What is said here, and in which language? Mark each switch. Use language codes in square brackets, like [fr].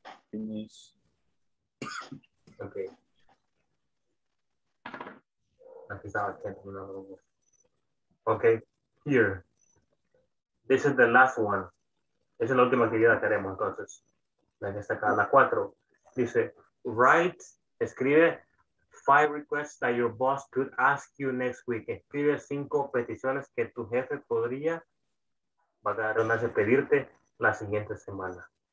[en] Finish. Okay. [es] Aquí estaba el tiempo, no lo hago. [en] Okay, here. This is the last one. [es] Esa es la última actividad que haremos, entonces. En esta acá, la cuatro. Dice, [en] write, [es] escribe [en] 5 requests that your boss could ask you next week. [es] Escribe 5 peticiones que tu jefe podría pedirte la siguiente semana.